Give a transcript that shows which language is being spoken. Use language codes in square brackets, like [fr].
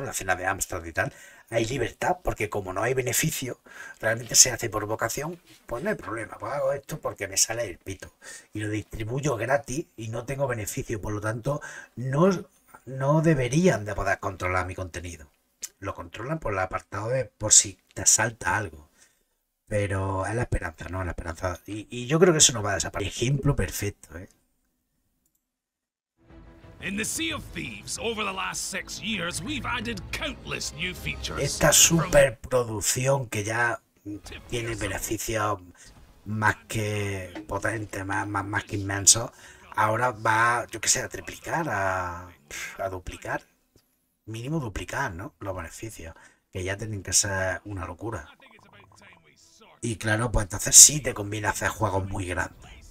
[es] La escena de Amstrad y tal, hay libertad, porque como no hay beneficio, realmente se hace por vocación, pues no hay problema, pues hago esto porque me sale el pito y lo distribuyo gratis y no tengo beneficio, por lo tanto, no deberían de poder controlar mi contenido. Lo controlan por el apartado de por si te salta algo. Pero es la esperanza, ¿no? La esperanza. Y yo creo que eso no va a desaparecer. Ejemplo perfecto, ¿eh? [en] In the Sea of Thieves, over the last 6 years, we've added countless new features. [es] Esta superproducción que ya tiene beneficios más que potentes, más que inmensos, ahora va, yo qué sé, a triplicar, a duplicar, mínimo duplicar, ¿no? Los beneficios, que ya tienen que ser una locura. Y claro, pues entonces sí te conviene hacer juegos muy grandes.